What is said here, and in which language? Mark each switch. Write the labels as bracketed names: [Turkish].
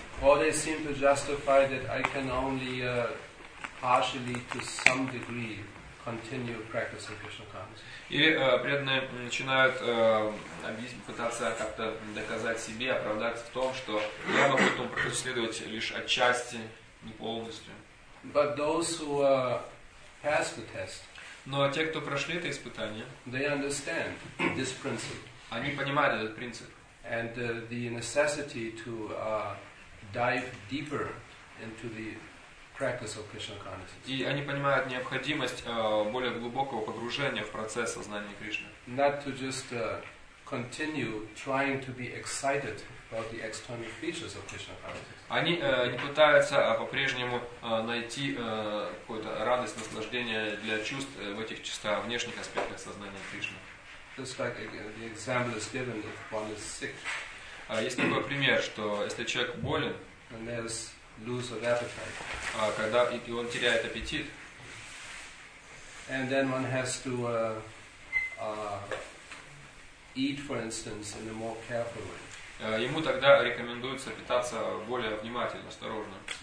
[English] Or they seem to justify that I can only partially to some degree continue practicing Krishna consciousness. [Russian] И преданные начинают пытаться как-то доказать себе, оправдать в том, что я могу этому преследовать лишь отчасти, не полностью. [English] But those who pass the test, [Russian] но те, кто прошли это испытание, [English] they understand this principle. [Russian] Они понимают этот принцип. [English] And the necessity to dive deeper into the practice of Krishna consciousness. [Russian] И они понимают необходимость более глубокого погружения в процесс сознания Кришны. [English] Not to just continue trying to be excited about the external features of Krishna consciousness. [Russian] Они не пытаются по-прежнему найти какую-то радость, наслаждение для чувств в этих чисто внешних аспектах сознания Кришны. [English] Just like the example is given if one is sick. [Russian] Есть такой пример, что если человек болен, [English] and there's lose of appetite. [Russian] Когда и он теряет аппетит. [English] And then one has to eat, for instance, in a more careful way. [Russian] ему тогда рекомендуется питаться более внимательно, осторожно.